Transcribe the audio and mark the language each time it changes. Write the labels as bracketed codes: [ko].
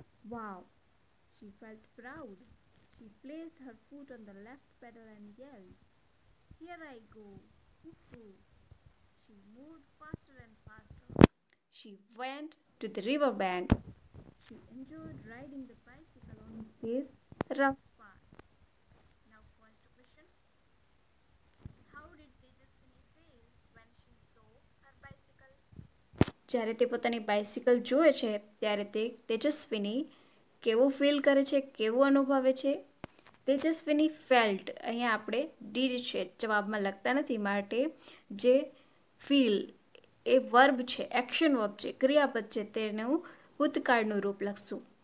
[en] Wow she felt proud she placed her foot on the left pedal and yelled here I go woohoo she moved faster and faster she went to the river bank. She enjoyed riding the bicycle on this rough path. Now, first question. How did Tejaswini feel when she saw her bicycle? [gu] જ્યારે તે પોતાની bicycle જુએ છે ત્યારે તે તેજસ્વિની કેવું feel કરે છે, કેવું અનુભવે છે? તેજસ્વિની ફેલ્ટ, અહીંયા આપણે ડીડ છે જવાબમાં લખતા નથી, માટે જે ફીલ એ વર્બ છે, એક્શન વર્બ છે, ક્રિયાપદ છે, તેનું ભૂતકાળનું રૂપ લખશું.